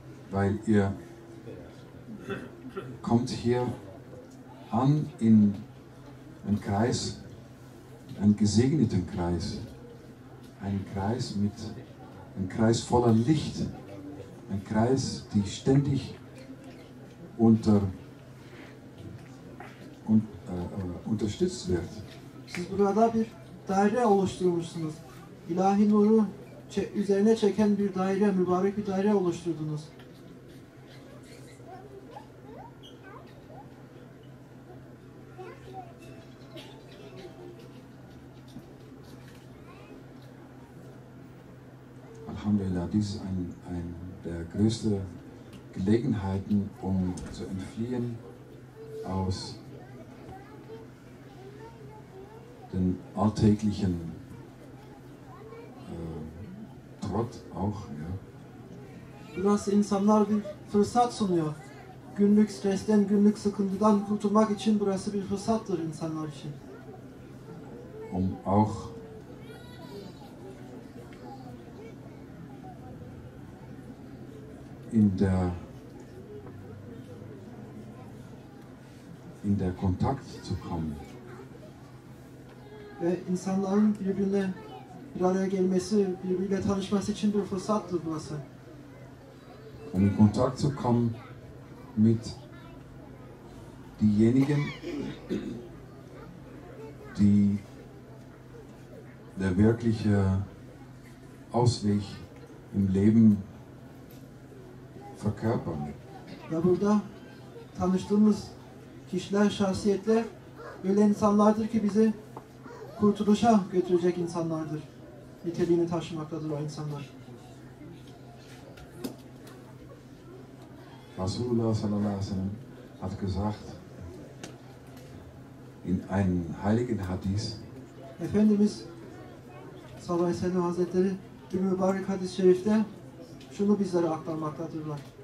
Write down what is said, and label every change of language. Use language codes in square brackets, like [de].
[de] Weil ihr kommt hier an in einen Kreis, einen gesegneten Kreis, einen Kreis mit einem Kreis voller Licht, ein Kreis, die ständig unterstützt wird. [tr] Siz burada bir daire oluşturmuşsunuz. İlahi nuru üzerine çeken bir daire, mübarek bir daire oluşturdunuz. [de] Alhamdulillah, dies ist ein der größten Gelegenheiten, um zu entfliehen aus den alltäglichen Trott auch, ja. [tr] Das insanlar bir fırsat sunuyor. Günlük stresten, günlük sıkıntıdan kurtulmak için burası bir fırsattır insanlar için. [de] Um auch in der Kontakt zu kommen. [tr] Ve insanların birbirine bir araya gelmesi, birbirine tanışması için bir fırsattır burası. [de] Um in Kontakt zu kommen mit diejenigen, die der wirkliche Ausweg im Leben verkörpern. [tr] Ve burada tanıştığımız kişiler, şahsiyetler öyle insanlardır ki bizi kurtuluşa götürecek insanlardır. Niteliğini taşımaktadır o insanlar. [de] Resulullah sallallahu aleyhi ve sellem hat gesagt in einem heiligen Hadis. [tr] Efendimiz sallallahu aleyhi ve sellem Hazretleri bir mübarek hadis-i şerifte şunu bizlere aktarmaktadırlar.